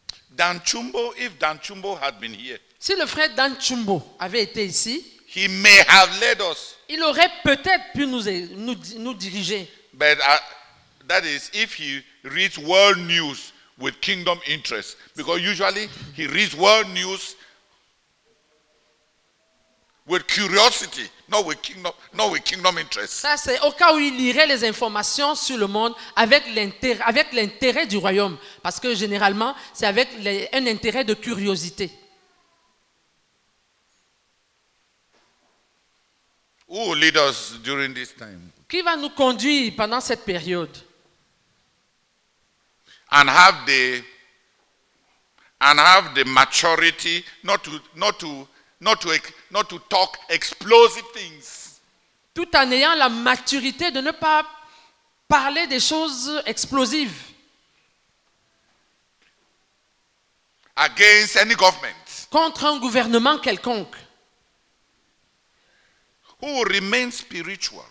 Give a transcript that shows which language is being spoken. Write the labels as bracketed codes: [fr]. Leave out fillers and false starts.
[en] Dan Chumbo, if Dan Chumbo had been here, [fr] si le frère Dan Chumbo avait été ici, [en] he may have led us. [fr] Il aurait peut-être pu nous diriger. [en] But that is if he reads world news with kingdom interest, because usually he reads world news with curiosity, not with kingdom interest. [fr] Ça c'est au cas où il lirait les informations sur le monde avec l'intérêt du royaume, parce que généralement c'est avec un intérêt de curiosité. [en] Who will lead us during this time? [fr] Qui va nous conduire pendant cette période? [en] And have the maturity not to talk explosive things. [fr] Tout en ayant la maturité de ne pas parler des choses explosives. [en] Against any government. [fr] Contre un gouvernement quelconque. [en] Who remains spiritual.